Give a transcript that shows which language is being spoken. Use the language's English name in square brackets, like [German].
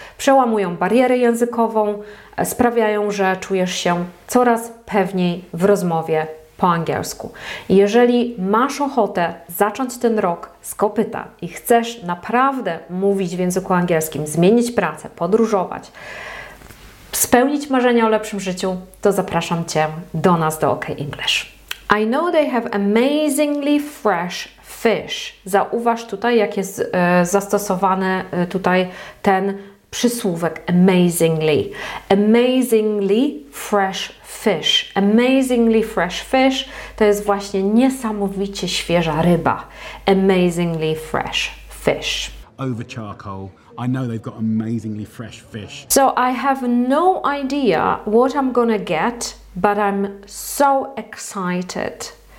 [Polish] Przełamują barierę językową, sprawiają, że czujesz się coraz pewniej w rozmowie po angielsku. Jeżeli masz ochotę zacząć ten rok z kopyta i chcesz naprawdę mówić w języku angielskim, zmienić pracę, podróżować, spełnić marzenia o lepszym życiu, to zapraszam Cię do nas, do OK English. [English] I know they have amazingly fresh fish. [Polish] Zauważ tutaj, jak jest zastosowany tutaj ten przysłówek amazingly. [English] Amazingly fresh fish. Amazingly fresh fish [Polish] to jest właśnie niesamowicie świeża ryba. [English] Amazingly fresh fish. Over charcoal. I know they've got amazingly fresh fish. So I have no idea what I'm gonna get, but I'm so excited.